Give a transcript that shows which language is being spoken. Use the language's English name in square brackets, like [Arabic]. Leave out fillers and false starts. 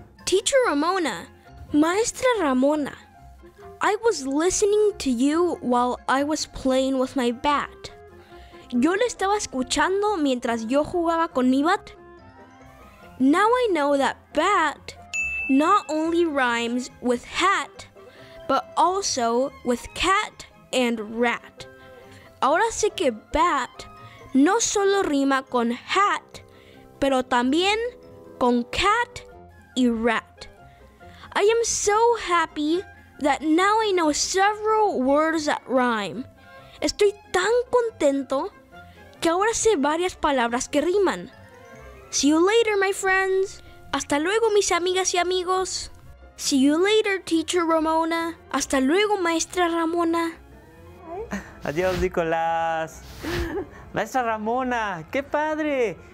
[English] Teacher Ramona, Maestra Ramona, I was listening to you while I was playing with my bat. [Spanish] Yo le estaba escuchando mientras yo jugaba con mi bat. [English] Now I know that bat not only rhymes with hat, but also with cat and rat. [Spanish] Ahora sé que bat no solo rima con hat, pero también con cat y rat. [English] I am so happy that now I know several words that rhyme. [Spanish] Estoy tan contento que ahora sé varias palabras que riman. [English] See you later, my friends. [Spanish] Hasta luego, mis amigas y amigos. [English] See you later, Teacher Ramona. [Spanish] Hasta luego, [English] Maestra Ramona. [Spanish] Adiós, Nicolás. Maestra Ramona, qué padre.